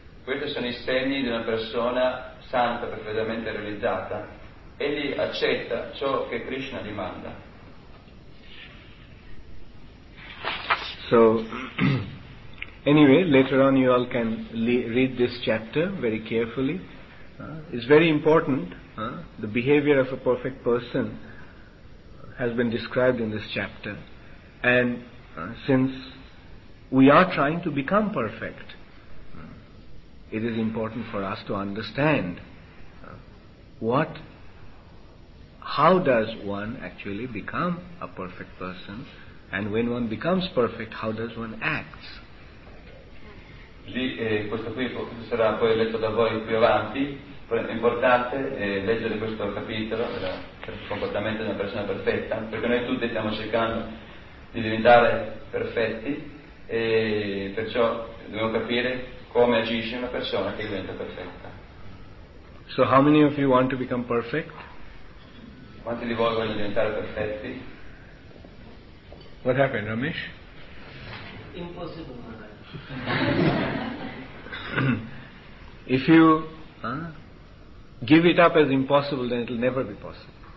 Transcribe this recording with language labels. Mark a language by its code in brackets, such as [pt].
[it] Questi sono i segni di una persona santa, perfettamente realizzata. Egli accetta ciò che Krishna gli manda. [en] So, anyway, later on you all can read this chapter very carefully. It's very important. The behavior of a perfect person has been described in this chapter. And since we are trying to become perfect, it is important for us to understand how does one actually become a perfect person, and when one becomes perfect, how does one act? [it] Questo qui sarà poi letto da voi più avanti. È importante leggere questo capitolo del comportamento di una persona perfetta, perché noi tutti stiamo cercando di diventare perfetti, e perciò dobbiamo capire come agisce una persona che diventa perfetta. [en] So how many of you want to become perfect? [it] Quanti di voi vogliono diventare perfetti? [en] What happened, Ramesh? Impossible. If you give it up as impossible, then it will never be possible.